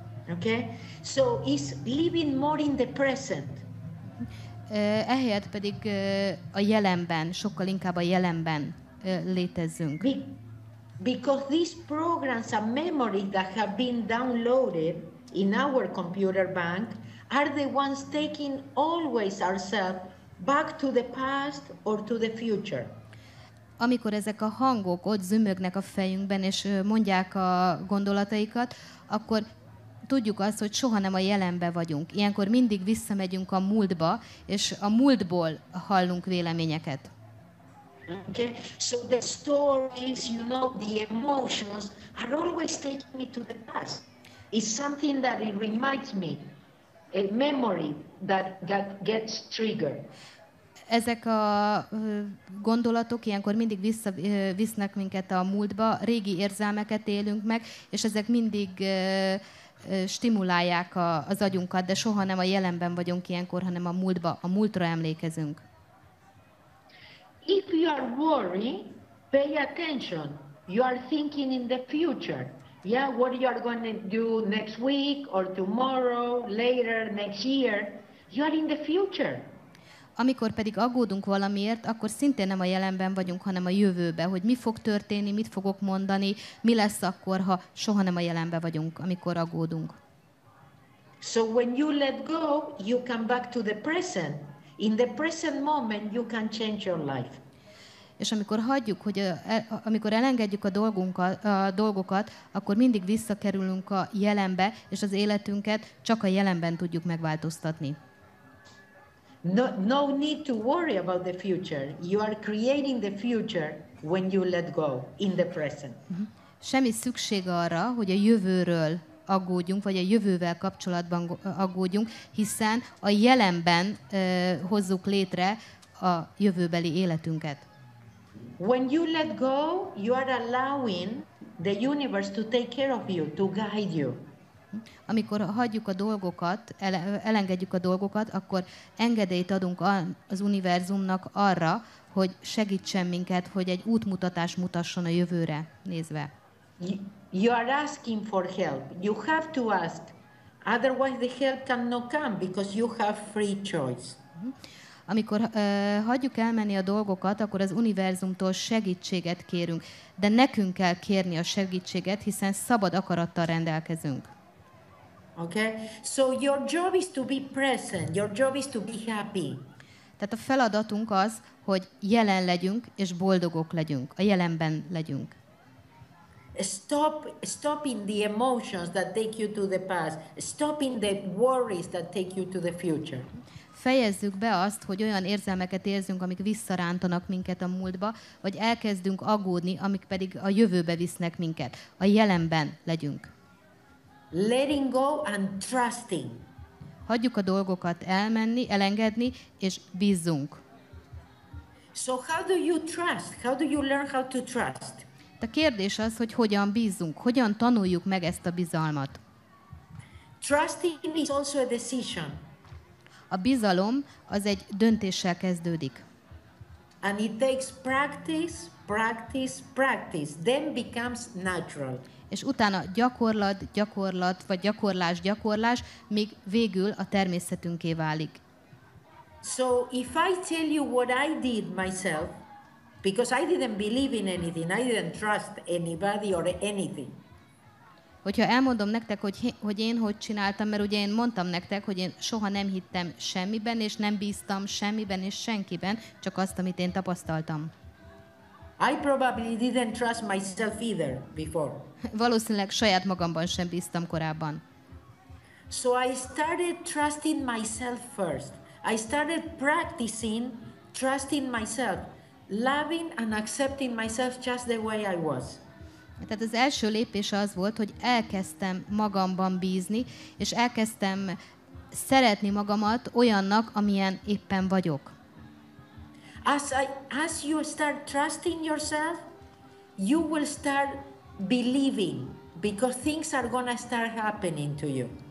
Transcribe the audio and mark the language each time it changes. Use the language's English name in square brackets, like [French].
[English] Okay? So it's living more in the present. [Hungarian] Ehelyett pedig a jelenben, sokkal inkább a jelenben létezzünk. [English] Because these programs and memories that have been downloaded in our computer bank are the ones taking always ourselves back to the past or to the future. [Hungarian] Amikor ezek a hangok ott zümögnek a fejünkben és mondják a gondolataikat, akkor tudjuk azt, hogy soha nem a jelenbe vagyunk. Ilyenkor mindig visszamegyünk a múltba, és a múltból hallunk véleményeket. [English] Okay. So the stories, you know, the emotions are always taking me to the past. It's something that it reminds me, a memory that gets triggered. [Hungarian] Ezek a gondolatok ilyenkor mindig visznek minket a múltba, régi érzelmeket élünk meg, és ezek mindig stimulálják az agyunkat, de soha nem a jelenben vagyunk ilyenkor, hanem a múltba, a múltra emlékezünk. [English] If you are worried, pay attention. You are thinking in the future. Yeah, what you are going to do next week or tomorrow, later, next year. You are in the future. [Hungarian] Amikor pedig aggódunk valamiért, akkor szintén nem a jelenben vagyunk, hanem a jövőben, hogy mi fog történni, mit fogok mondani, mi lesz akkor, ha soha nem a jelenben vagyunk, amikor aggódunk. [English] So when you let go, you come back to the present. In the present moment, you can change your life. [Hungarian] És amikor hagyjuk, hogy amikor elengedjük a dolgokat, akkor mindig visszakerülünk a jelenbe, és az életünket csak a jelenben tudjuk megváltoztatni. [English] No need to worry about the future. You are creating the future when you let go in the present. [Hungarian] Semmi szükség arra, hogy a jövőről aggódjunk, vagy a jövővel kapcsolatban aggódjunk, hiszen a jelenben hozzuk létre a jövőbeli életünket. [English] When you let go, you are allowing the universe to take care of you, to guide you. [Hungarian] Amikor hagyjuk a dolgokat, elengedjük a dolgokat, akkor engedélyt adunk az univerzumnak arra, hogy segítsen minket, hogy egy útmutatást mutasson a jövőre nézve. [English] You are asking for help. You have to ask Otherwise the help cannot come because you have free choice. [Hungarian] Amikor hagyjuk elmenni a dolgokat, akkor az univerzumtól segítséget kérünk. De nekünk kell kérni a segítséget, hiszen szabad akarattal rendelkezünk. [English] Okay? So your job is to be present. Your job is to be happy. [Hungarian] Tehát a feladatunk az, hogy jelen legyünk és boldogok legyünk, a jelenben legyünk. [English] Stopping the emotions that take you to the past. Stopping the worries that take you to the future. [Hungarian] Fejezzük be azt, hogy olyan érzelmeket érzünk, amik visszarántanak minket a múltba, vagy elkezdünk aggódni, amik pedig a jövőbe visznek minket. A jelenben legyünk. [English] Letting go and trusting. [Hungarian] Hagyjuk a dolgokat elmenni, elengedni, és bízzunk. [English] So how do you trust? How do you learn how to trust? [Hungarian] De a kérdés az, hogy hogyan bízzunk, hogyan tanuljuk meg ezt a bizalmat. [English] Trusting is also a decision. [Hungarian] A bizalom az egy döntéssel kezdődik. [English] And it takes practice, practice, practice. Then becomes natural. [Hungarian] És utána gyakorlat, gyakorlat, vagy gyakorlás, gyakorlás, míg végül a természetünké válik. [English] So if I tell you what I did myself, because I didn't believe in anything, I didn't trust anybody or anything. [Hungarian] Hogyha elmondom nektek, hogy én hogy csináltam, mert ugye én mondtam nektek, hogy én soha nem hittem semmiben, és nem bíztam semmiben és senkiben, csak azt, amit én tapasztaltam. [English] I probably didn't trust myself either before. [Hungarian] Valószínűleg saját magamban sem bíztam korábban. [English] So I started trusting myself first. I started practicing trusting myself, loving and accepting myself just the way I was. [Hungarian] Tehát az első lépés az volt, hogy elkezdtem magamban bízni, és elkezdtem szeretni magamat olyannak, amilyen éppen vagyok. [English] As you start trusting yourself, you will start believing, because things are gonna start happening to you.